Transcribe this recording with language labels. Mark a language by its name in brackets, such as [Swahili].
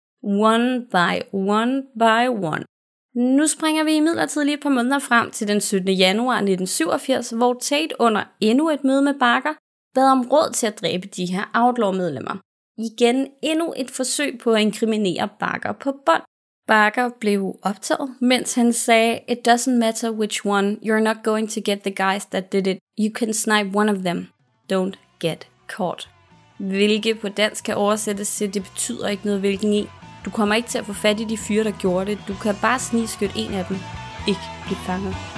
[English] One by one by one. [Danish] Nu springer vi imidlertid lige et par måneder frem til den 17. januar 1987, hvor Tate under endnu et møde med Barker bad om råd til at dræbe de her Outlaw-medlemmer. Igen endnu et forsøg på at inkriminere Barker på bånd. Barker blev optaget, mens han sagde, [English] "It doesn't matter which one, you're not going to get the guys that did it. You can snipe one of them. Don't get caught." [Danish] Hvilket på dansk kan oversættes til, det betyder ikke noget hvilken en. Du kommer ikke til at få fat i de fyre, der gjorde det. Du kan bare snigskytte en af dem. Ikke blive fanget.